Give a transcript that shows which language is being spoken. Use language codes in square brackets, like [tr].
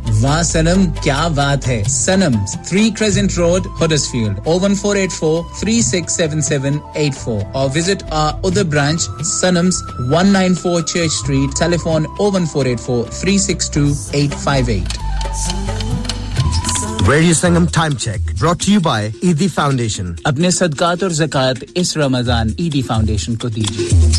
[ur] واہ سنم کیا بات ہے سنم 3 کریسنٹ روڈ ہڈرسفیلڈ 01484-367784 [en] اور visit our ادھر branch [ur] Sunnams 194 Church Street telephone 01484-362-858 [en] Radio Sangam Time Check brought to you by Eidi Foundation [ur] اپنے صدقات اور زکاة اس رمضان Eidi Foundation کو دیجئے